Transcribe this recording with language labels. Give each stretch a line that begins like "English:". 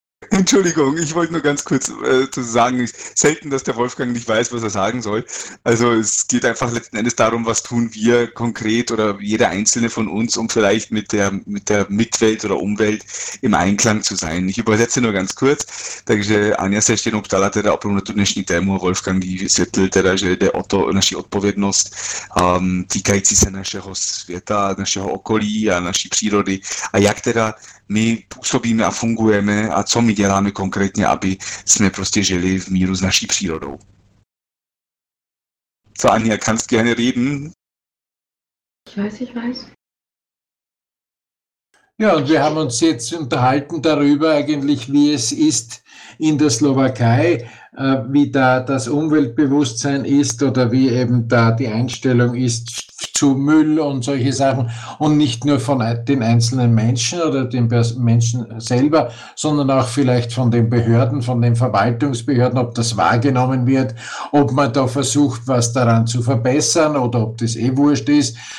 German: Entschuldigung, ich wollte nur ganz kurz zu sagen, selten, dass der Wolfgang nicht weiß, was er sagen soll. Also es geht einfach letzten Endes darum, was tun wir konkret oder jeder Einzelne von uns, um vielleicht mit der Mitwelt oder Umwelt im Einklang zu sein. Ich übersetze nur ganz kurz.
Czech: Takže Anja se ještě jenom ptala teda opravdu na tu dnešní tému, Wolfgang ji vysvětlil teda, že jde o to, naši odpovědnost týkající se našeho světa, našeho okolí a naší přírody a jak teda my působíme a fungujeme a co my děláme konkrétně, aby jsme prostě žili v míru s naší přírodou.
German: Co, Anja, kannst du gerne reden? Ich weiß. Ja, und wir haben uns jetzt unterhalten darüber eigentlich, wie es ist in der Slowakei, wie da das Umweltbewusstsein ist oder wie eben da die Einstellung ist zu Müll und solche Sachen und nicht nur von den einzelnen Menschen oder den Menschen selber, sondern auch vielleicht von den Behörden, von den Verwaltungsbehörden, ob das wahrgenommen wird, ob man da versucht, was daran zu verbessern oder ob das eh wurscht ist.